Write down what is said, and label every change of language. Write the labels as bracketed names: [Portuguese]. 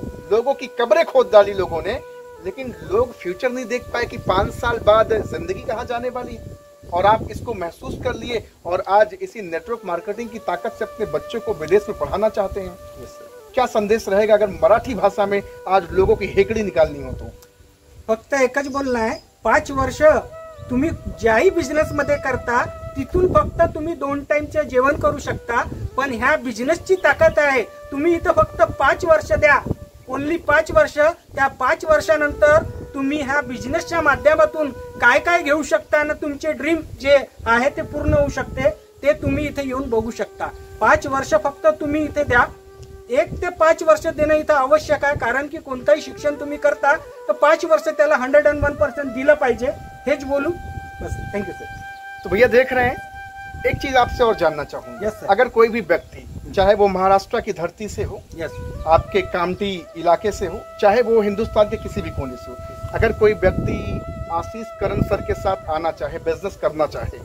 [Hindi] लोगों की कब्रें खोद डाली लोगों ने, लेकिन लोग फ्यूचर नहीं देख पाए कि 5 साल बाद जिंदगी कहाँ जाने वाली है। और आप इसको महसूस कर लिए और आज इसी नेटवर्क मार्केटिंग की ताकत से अपने बच्चों को विदेश में पढ़ाना चाहते हैं। [English] yes sir, [Hindi] क्या संदेश रहेगा अगर मराठी भाषा में आज लोगों की हेकड़ी निकालनी हो तो? [Marathi] फक्त एकच बोलना है, 5 वर्ष तुम्ही ज्याही बिझनेस मध्ये करता तिथून फक्त तुम्ही 2 टाइमचे जेवण करू शकता, पण ह्या बिझनेसची ताकद आहे, तुम्ही इथं फक्त 5 वर्ष द्या, ओनली 5 वर्ष। त्या 5 वर्षानंतर तुम्ही ह्या बिझनेसच्या माध्यमातून काय काय घेऊ शकता आणि तुमचे ड्रीम जे आहे ते पूर्ण होऊ शकते, ते तुम्ही इथे येऊन बघू शकता। 5 वर्ष फक्त तुम्ही इथे द्या, 1 ते 5 वर्ष देणं इथं आवश्यक आहे, कारण की कोणतंही शिक्षण तुम्ही करता तर 5 वर्ष त्याला 101% दिलं पाहिजे। हेच बोलू बस, थँक्यू सर। [Hindi] तो भैया देख रहे हैं, एक चीज आपसे और जानना चाहूंगा। [English] Yes sir. [Hindi] अगर कोई भी व्यक्ति, चाहे वो महाराष्ट्र की धरती से हो, [English] yes, [Hindi] आपके कामटी इलाके से हो, चाहे वो हिंदुस्तान के किसी भी कोने से हो, अगर कोई व्यक्ति आशीष करण सर के साथ आना चाहे, बिजनेस करना चाहे,